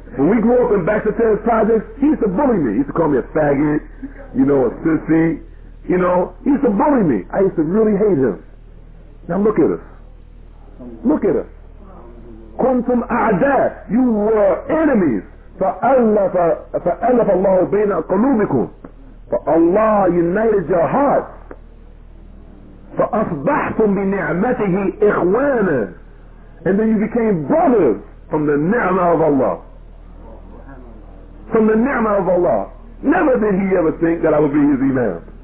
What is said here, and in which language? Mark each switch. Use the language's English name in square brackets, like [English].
[English] When we grew up in Baxter Terrace Projects, he used to bully me. He used to call me a faggot, you know, a sissy, you know. He used to bully me. I used to really hate him. Now look at us. Look at us. [Arabic] كنتم أعداء, [English] you were enemies. [Arabic] فألف الله بين قلوبكم, فالله [English] united your hearts. [Arabic] فأصبحتم بنعمته إخوانا, [English] and then you became brothers from the ni'mah of Allah. From the ni'mah of Allah. Never did he ever think that I would be his imam.